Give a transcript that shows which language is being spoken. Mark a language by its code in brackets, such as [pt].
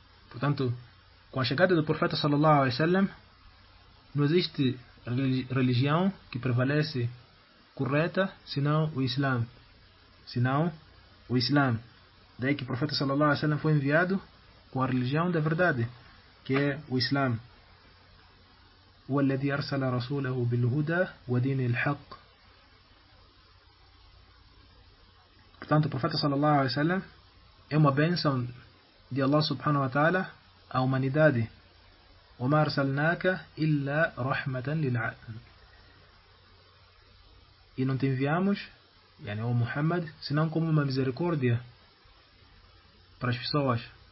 [pt] Portanto, com a chegada do profeta sallallahu alaihi wasallam, não existe religião que prevalece correta senão o Islã. Senão o Islã. Daí que o profeta sallallahu alaihi wasallam foi enviado com a religião da verdade, que é o Islã. [ar] O الذي ارسل رسوله بالهدى ودين الحق. [pt] Portanto, o profeta sallallahu alaihi wasallam é uma bênção de Allah subhanahu wa ta'ala à humanidade. [ar] وما ارسلناك الا رحمه للعالمين. [pt] E não te enviamos, yani, o Muhammad, senão como uma misericórdia para as pessoas.